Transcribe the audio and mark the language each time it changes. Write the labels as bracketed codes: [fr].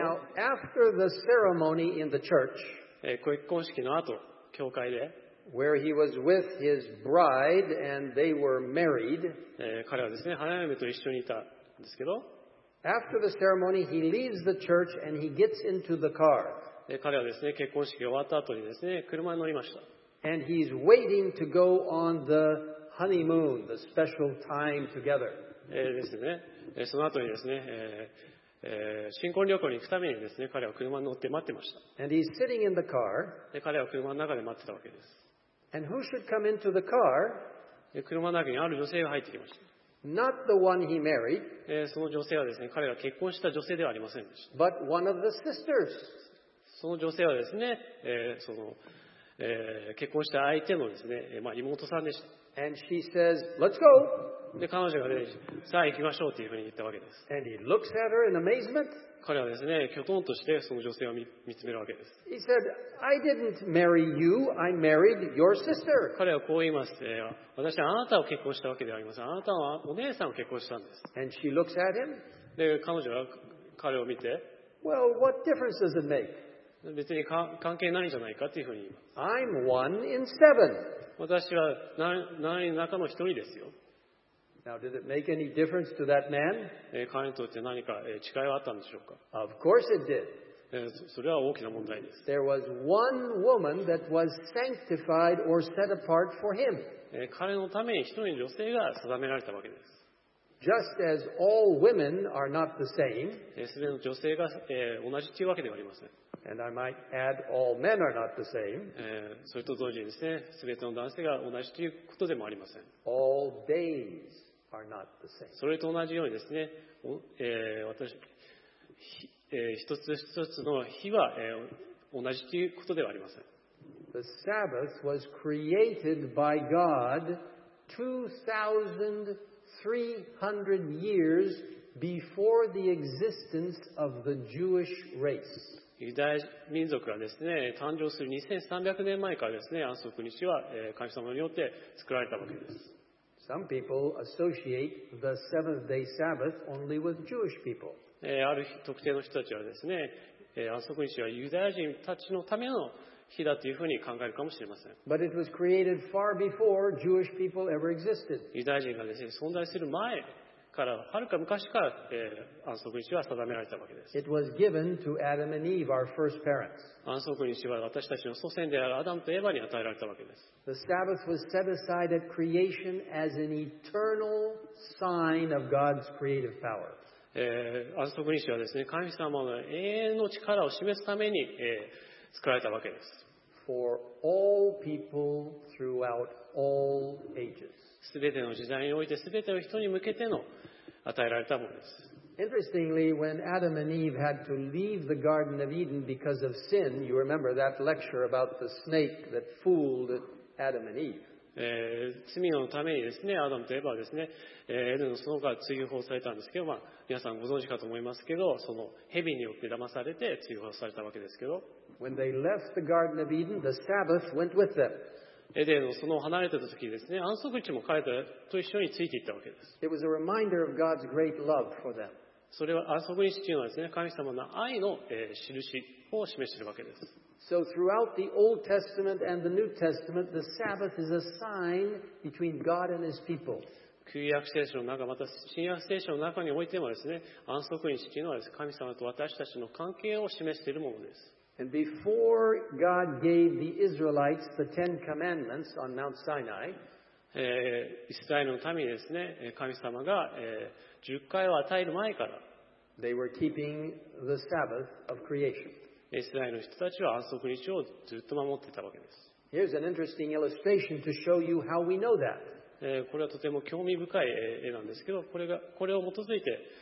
[en] Now, after the ceremony in the church, [ja] 結婚式の後、教会で、 [en] where he was with his bride and they were married, [ja] 彼はですね、花嫁と一緒にいたんですけど、 [en] after the ceremony, he leaves the church and he gets into the car. [ja] 彼はですね、結婚式が終わった後にですね、車に乗りました。 [en] And he's waiting to go on the honeymoon, the special time together. [ja] ですね。その後にですね、新婚旅行に行くためにですね、彼は車に乗って待ってました。 [en] And he's sitting in the car. [ja] で、彼は車の中で待ってたわけです。 [en] And who should come into the car? [ja] 車の中にある女性が入ってきました。 [en] Not the one he married. [ja] その女性はですね、彼が結婚した女性ではありませんでした。 [en] But one of the sisters. [ja] その女性はですね、その結婚した相手のですね、まあ、妹さんでした。 [en] And she says, "Let's go." [ja] で彼女がね、さあ行きましょうというふうに言ったわけです。 [en] And he looks at her in amazement. [ja] 彼はですね、キョトンとしてその女性を 見つめるわけです。 [en] He said, "I didn't marry you. I married your sister." [ja] 彼はこう言います。私はあなたを結婚したわけではありません。あなたはお姉さんを結婚したんです。 [en] And she looks at him. [ja] で彼女は彼を見て、 [en] Well, what difference does it make? [ja] 別に関係ないんじゃないかというふうに言います。 [en] I'm one in seven. [ja] 私は何人の中の一人ですよ。 [en] Now, did it make any difference to that man? [ja] 彼にとって何か違いはあったんでしょうか。 [en] Of course it did. [ja] それは大きな問題です。 [en] There was one woman that was sanctified or set apart for him. [ja] 彼のために一人の女性が定められたわけです。 [en] Just as all women are not the same. [ja] すべての女性が同じというわけではありません。 [en] And I might add, all men are not the same. [ja] それと同時にですね、すべての男性が同じということでもありません。 [en] All days are not the same. [ja] それと同じようにですね、私、一つ一つの日は、同じということではありません。 [en] The Sabbath was created by God 2,300 years before the existence of the Jewish race. [ja] ユダヤ民族がですね、誕生する2300年前からですね、安息日は神様によって作られたわけです。 [en] Some people associate the seventh day Sabbath only with Jewish people. [ja] ある特定の人たちはですね、安息日はユダヤ人たちのための日だというふうに考えるかもしれません。 [en] But it was created far before Jewish people ever existed. [ja] ユダヤ人がですね、存在する前、はるか昔から、安息日は定められたわけです。 [en] It was given to Adam and Eve, our first parents. [ja] 安息日は私たちの祖先であるアダムとエヴァに与えられたわけです。 [en] The Sabbath was set aside at creation as an eternal sign of God's creative power. [ja] 安息日はですね、神様の永遠の力を示すために、作られたわけです。 [en] For all people throughout all ages. [ja] すべての時代においてすべての人に向けての与えられたものです。 [en] Interestingly, when Adam and Eve had to leave the Garden of Eden because of sin, you remember that lecture about the snake that fooled Adam and Eve. [ja] 罪のためにですね、アダムとエヴァはですね、エデンの園から追放されたんですけど、まあ、皆さんご存知かと思いますけど、その蛇によって騙されて追放されたわけですけど。 [en] When they left the Garden of Eden, the Sabbath went with them. [ja] エデンの園を離れていた時ですね、安息日も彼と一緒についていったわけです。 [en] It was a reminder of God's great love for them. [ja] それは安息日というのはですね、神様の愛の印を示しているわけです。 [en] So throughout the Old Testament and the New Testament, the Sabbath is a sign between God and His people. [ja] 旧約聖書の中、また新約聖書の中においてもですね、安息日というのはですね、神様と私たちの関係を示しているものです。 [en] And before God gave the Israelites the Ten Commandments on Mount Sinai, [ja] イスラエルのためにですね、神様が十戒を与える前から、 [en] they were keeping the Sabbath of creation. [ja] イスラエルの人たちは安息日をずっと守っていたわけです。 [en] Here's an interesting illustration to show you how we know that. [ja] これはとても興味深い絵なんですけど、これを基づいて、